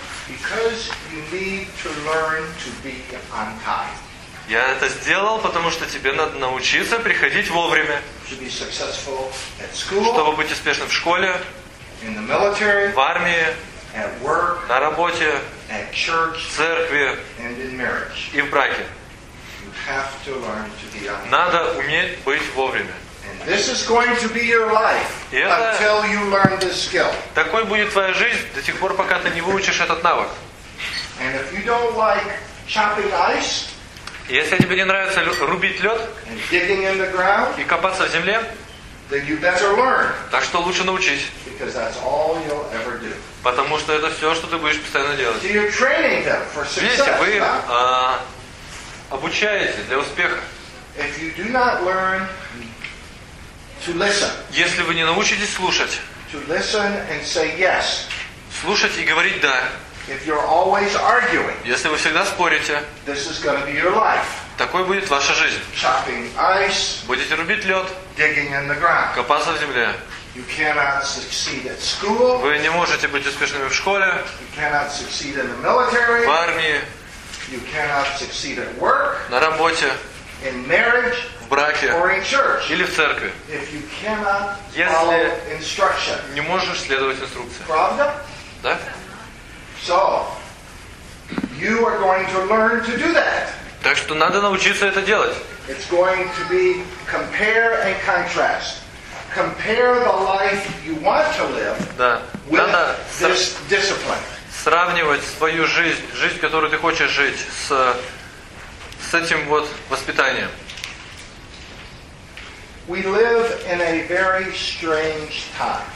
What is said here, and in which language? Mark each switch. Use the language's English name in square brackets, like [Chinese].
[English] Because you need to learn to be on time. [Russian] Я это сделал, потому что тебе надо научиться приходить вовремя. [English] To be successful at school, [Russian] чтобы быть успешным в школе, [English] in the military, [Russian] в армии, [English] at work, [Russian] на работе, [English] at church, [Russian] в церкви [English] and in marriage. [Russian] И в браке. [English] You have to learn to be on. [Russian] Надо уметь быть вовремя. [English] And this is going to be your life until you learn this skill. [Russian] Такой будет твоя жизнь до тех пор, пока ты не выучишь этот навык. [English] And if you don't like chopping ice, [Russian] если тебе не нравится рубить лед [English] and digging in the ground, [Russian] и копаться в земле, [English] then you better learn. [Russian] Так что лучше научись. [English] Because that's all you'll ever do. [Russian] Потому что это все, что ты будешь постоянно делать. [English] So you're training them for success, [Russian] видите, вы обучаете для успеха. [English] If you do not learn to listen, [Russian] если вы не научитесь слушать, [English] to listen and say yes, [Russian] слушать и говорить «да», [English] if you're always arguing, [Russian] если вы всегда спорите, [English] this is gonna be your life. [Russian] Такой будет ваша жизнь. [English] Chopping ice, [Russian] будете рубить лед, [English] digging in the ground. [Russian] Копаться в земле. [English] You cannot succeed at school. [Russian] Вы не можете быть успешными в школе. [English] You cannot succeed in the military. [Russian] В армии. [English] You cannot succeed at work. [Russian] На работе. [English] In marriage. [Russian] В браке. [English] Or in church. [Russian] Или в церкви. [English] If you cannot follow instruction. [Russian] Если не можешь следовать инструкции. Правда? Да. [English] So you are going to learn to do that. [Russian] Так что надо научиться это делать. [English] It's going to be compare and contrast. Compare the life you want to live. [Russian] Да. [English] With [Russian] надо [English] this discipline. [Russian] Сравнивать свою жизнь, которую ты хочешь жить, с этим вот воспитанием. [English] We live in a very strange time.